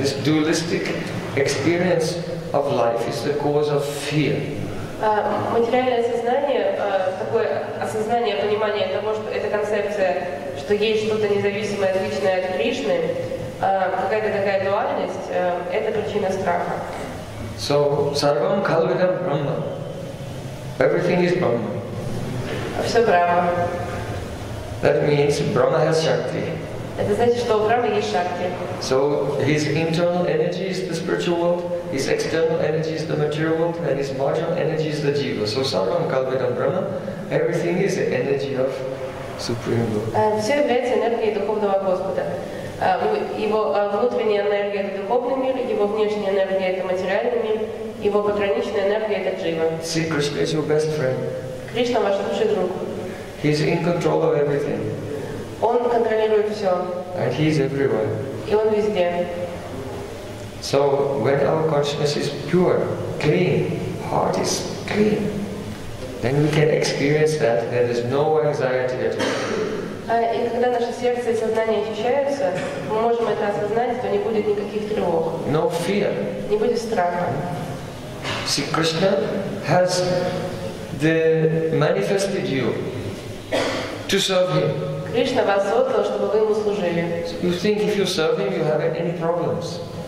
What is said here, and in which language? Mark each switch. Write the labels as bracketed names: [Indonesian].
[English] This dualistic experience of life is the cause of fear. [Russian] Материальное сознание, такое осознание, понимание того, что эта концепция, что есть что-то независимое, отличное от Кришны, какая-то такая дуальность, это причина страха. [English] So, sarvam kalvidam brahma. Everything is brahma. [Russian] Все брахма. [English] That means brahma has shakti. [Russian] Это значит, что у брахмы есть шакти. [English] So, his internal energy is the spiritual world. His external energy is the material world, and his marginal energy is the jiva. So sarvam kalvidam brahma, everything is the energy of Supreme Lord. [Russian] Все является энергией духовного Господа. Его внутренняя энергия — это духовный мир, его внешняя энергия — это материальный мир, его пограничная энергия — это джива. [English] See, Krishna is your best friend. [Russian] Кришна ваш лучший друг. [English] He is in control of everything. [Russian] Он контролирует все. [English] And he is everywhere. [Russian] И он везде. [English] So when our consciousness is pure, clean, heart is clean, then we can experience that there is no anxiety at all. [Russian] И когда наше сердце и сознание очищаются, мы можем это осознать, то не будет никаких тревог. [English] No fear. [Russian] Не будет страха. [English] See, Krishna has manifested you to serve him. [Russian] Кришна вас создал, чтобы вы ему служили. [English] You think if you serve him, you have any problems?